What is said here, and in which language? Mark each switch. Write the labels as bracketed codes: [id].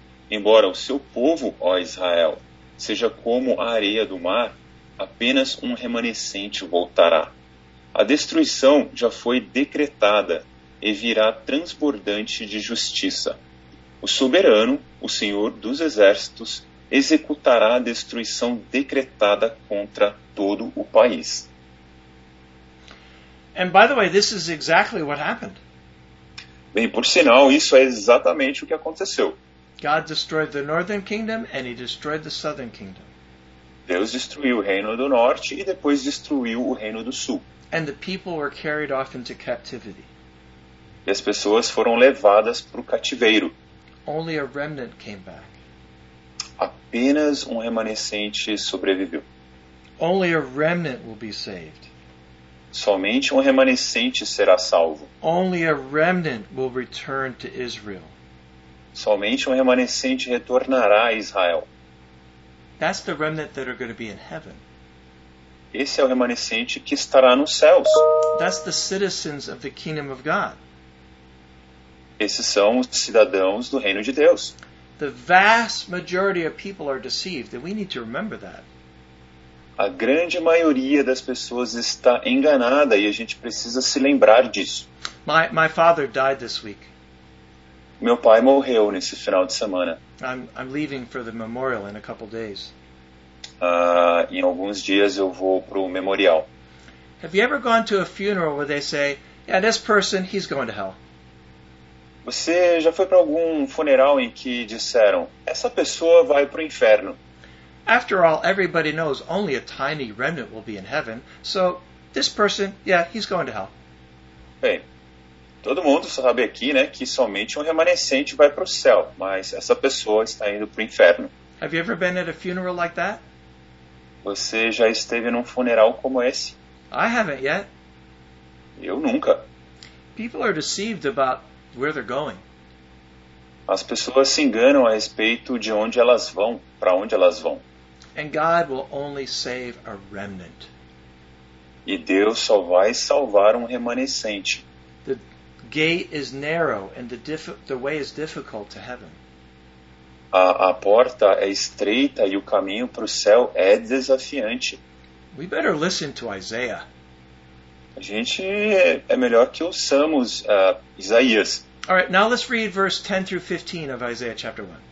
[pt] Embora o seu povo, ó Israel, seja como a areia do mar, apenas um remanescente voltará. A destruição já foi decretada e virá transbordante de justiça. O soberano, o Senhor dos Exércitos, executará a destruição decretada contra todo o país. [en] And by the way, this is exactly what happened. [pt] Bem, por sinal, isso é exatamente o que aconteceu. [en] God destroyed the northern kingdom and he destroyed the southern kingdom. [pt] Deus destruiu o reino do norte e depois destruiu o reino do sul. [en] And the people were carried off into captivity. [pt] E as pessoas foram levadas para o cativeiro. [en] Only a remnant came back. [pt] Apenas um remanescente sobreviveu. [en] Only a remnant will be saved. [pt] Somente um remanescente será salvo. [en] Only a remnant will return to Israel. [pt] Somente um remanescente retornará a Israel. [en] That's the remnant that are going to be in heaven. [pt] Esse é o remanescente que estará nos céus. [en] That's the citizens of the kingdom of God. [pt] Esses são os cidadãos do reino de Deus. [en] The vast majority of people are deceived, and we need to remember that. [pt] A grande maioria das pessoas está enganada e a gente precisa se lembrar disso. [en] My father died this week. [pt] Meu pai morreu nesse final de semana. [en] I'm leaving for the memorial in a couple days. [pt] Em alguns dias eu vou pro memorial. [en] Have you ever gone to a funeral where they say, yeah, this person, he's going to hell? [pt] Você já foi para algum funeral em que disseram, essa pessoa vai pro inferno? [en] After all, everybody knows only a tiny remnant will be in heaven. So, this person, yeah, he's going to hell. [pt] Bem, todo mundo sabe aqui, né, que somente um remanescente vai para o céu, mas essa pessoa está indo para o inferno. [en] Have you ever been at a funeral like that? [pt] Você já esteve num funeral como esse? [en] I haven't yet. [pt] Eu nunca. [en] People are deceived about where they're going. [pt] As pessoas se enganam a respeito de onde elas vão, para onde elas vão. [en] And God will only save a remnant. [pt] E Deus só vai salvar um remanescente. [en] The gate is narrow and the way is difficult to heaven. [pt] A porta é estreita e o caminho para o céu é desafiante. [en] We better listen to Isaiah. [pt] A gente é melhor que ouçamos Isaías. [en] All right, now let's read verse 10 through 15 of Isaiah chapter 1.